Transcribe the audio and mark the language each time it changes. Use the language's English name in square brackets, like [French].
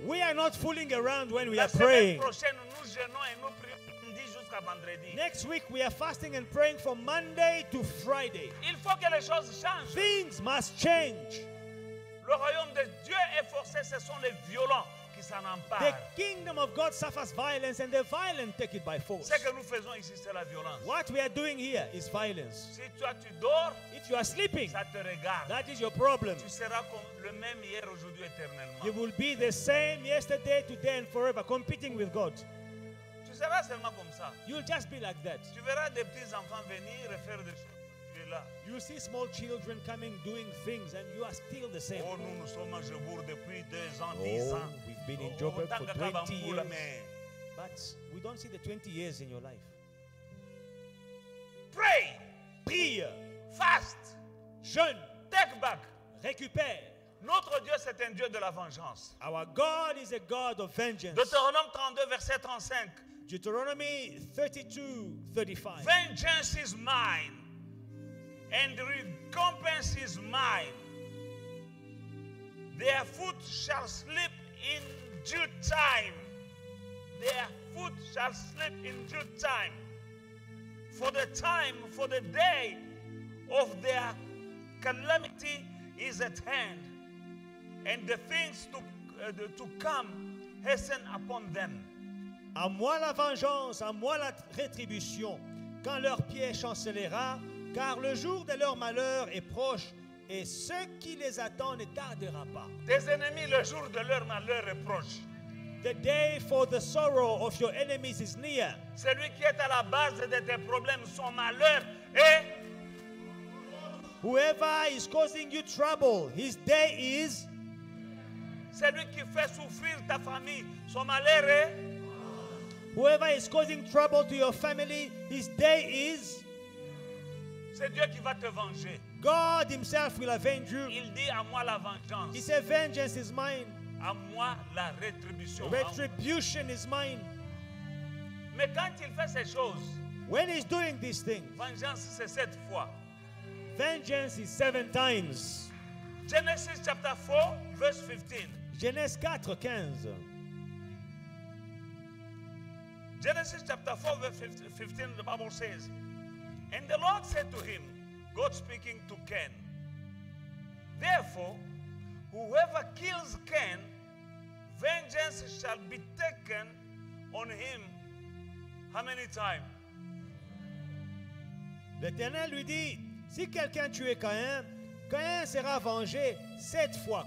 [English] We are not fooling around when we [French] la [English] are praying. [French] La semaine prochaine, nous jeûnons et nous prions lundi jusqu'à vendredi. [English] Next week, we are fasting and praying from Monday to Friday. [French] Il faut que les choses changent. [English] Things must change. [French] Le royaume de Dieu est forcé, ce sont les violents. qui s'en empare. [English] The kingdom of God suffers violence and the violent take it by force. [French] Ce que nous faisons ici, c'est la violence. [English] What we are doing here is violence. [French] Si toi tu dors, [English] if you are sleeping, [French] ça te regarde. [English] That is your problem. [French] Tu seras comme le même hier, aujourd'hui, éternellement. [English] You will be the same yesterday, today and forever, competing with God. [French] Tu seras seulement comme ça. [English] You'll just be like that. [French] Tu verras des petits enfants venir et faire des choses. [English] You see small children coming doing things and you are still the same. [French] Oh, nous sommes à Joburg depuis 2 ans, 10 ans. [English] We've been in Joburg for 20 years. But we don't see the 20 years in your life. Pray. [French] Prier. [English] Fast. [French] Jeûne. [English] Take back. [French] Récupère. Notre Dieu, c'est un Dieu de la vengeance. [English] Our God is a God of vengeance. [French] Deutéronome 32, verset 35. [English] Deuteronomy 32:35. Vengeance is mine. And recompense is mine. Their foot shall slip in due time. Their foot shall slip in due time. For the time, for the day of their calamity is at hand. And the things to come hasten upon them. [French] À moi la vengeance, à moi la rétribution, quand leur pied chancellera. Car le jour de leur malheur est proche et ce qui les attend ne tardera pas. Tes ennemis, le jour de leur malheur est proche. [English] The day for the sorrow of your enemies is near. [French] Celui qui est à la base de tes problèmes, son malheur est... [English] Whoever is causing you trouble, his day is... [French] Celui qui fait souffrir ta famille, son malheur est... [English] Whoever is causing trouble to your family, his day is... [French] C'est Dieu qui va te venger. [English] God himself will avenge you. [French] Il dit à moi la vengeance. [English] He said, vengeance is mine. [French] À moi la rétribution. [English] Retribution is mine. [French] Mais quand il fait ces choses, [English] when he's doing these things, [French] vengeance c'est 7 fois. [English] Vengeance is 7 times. Genesis chapter 4, verse 15. [French] Genèse 4, 15. [English] Genesis chapter 4, verse 15, the Bible says, and the Lord said to him, God speaking to Cain, therefore, whoever kills Cain, vengeance shall be taken on him. How many times? [French] L'Éternel lui dit, si quelqu'un tue Caïn, Caïn sera vengé 7 fois.